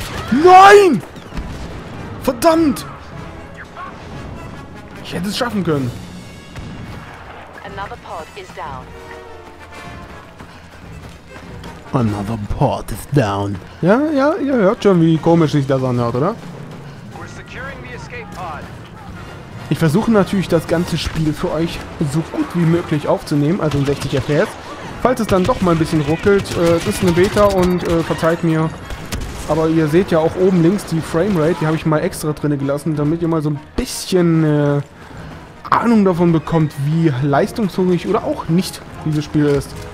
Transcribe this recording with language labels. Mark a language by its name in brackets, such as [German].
[German] Nein! Verdammt! Ich hätte es schaffen können. [English] Another pod is down. Another pod is down. [German] Ja, ja, ihr hört schon, wie komisch sich das anhört, oder? [English] We're securing the escape pod. [German] Ich versuche natürlich, das ganze Spiel für euch so gut wie möglich aufzunehmen, also in 60 FPS. Falls es dann doch mal ein bisschen ruckelt, ist eine Beta und verzeiht mir. Aber ihr seht ja auch oben links die Framerate, die habe ich mal extra drin gelassen, damit ihr mal so ein bisschen Ahnung davon bekommt, wie leistungshungrig oder auch nicht dieses Spiel ist.